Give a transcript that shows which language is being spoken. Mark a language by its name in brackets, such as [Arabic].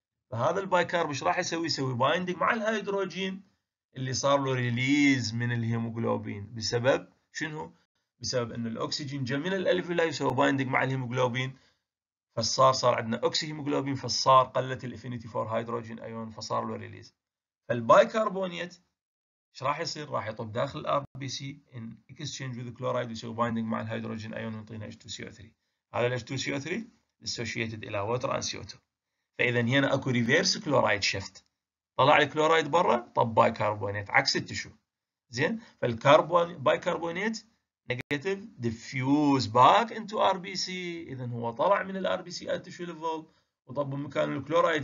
[Arabic] فهذا البايكارب ايش راح يسوي؟ يسوي بايندينج مع الهيدروجين اللي صار له ريليز من الهيموجلوبين بسبب شنو؟ بسبب انه الاكسجين جاء من الالفيولاي وسوي بايندينج مع الهيموجلوبين، فصار عندنا اوكسيهيموجلوبين، فصار قلت الافينيتي فور هيدروجين ايون، فصار له ريليز. فالبايكربونيت ايش راح يصير؟ راح يطب داخل الـ RBC [English] in exchange with the chloride [Arabic] يسوي binding مع الهيدروجين ايون ويعطينا H2CO3. هذا الـ H2CO3 associated الى water and CO2. فاذا هنا اكو ريفيرس كلورايد شفت، طلع الكلورايد برا طب بايكربونيت عكس التشو. زين، [English] فالكربون bicarbonate negative diffuse back into R B C, [Arabic] اذا هو طلع من الار بي سي التشو ليفل وطب مكان الكلورايد.